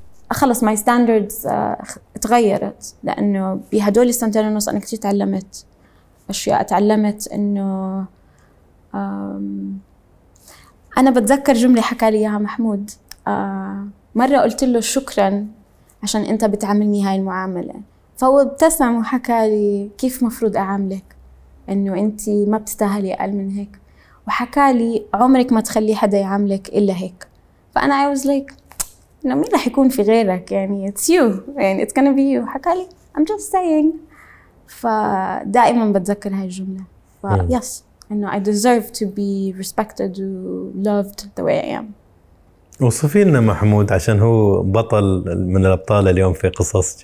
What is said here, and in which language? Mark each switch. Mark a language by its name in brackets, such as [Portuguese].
[Arabic] أخلص my standards تغيرت، لأنه بهدول السنتين ونص أنا كتير تعلمت أشياء، تعلمت إنه أنا بتذكر جملة حكى لي إياها محمود مرة، قلت له شكرا عشان أنت بتعاملني هاي المعاملة، فهو ابتسم وحكى لي كيف مفروض أعاملك، إنه أنت ما بتستاهلي أقل من هيك، وحكى لي عمرك ما تخلي حدا يعاملك إلا هيك. [English] فأنا I was like مين رح يكون في غيرك، يعني it's you يعني it's gonna be you. حكى لي I'm just saying. [Arabic] فدائما بتذكر هاي الجملة. [English] Yes, إنه I deserve to be respected and loved the way I am. [Arabic] وصفي لنا محمود عشان هو بطل من الأبطال اليوم في قصص.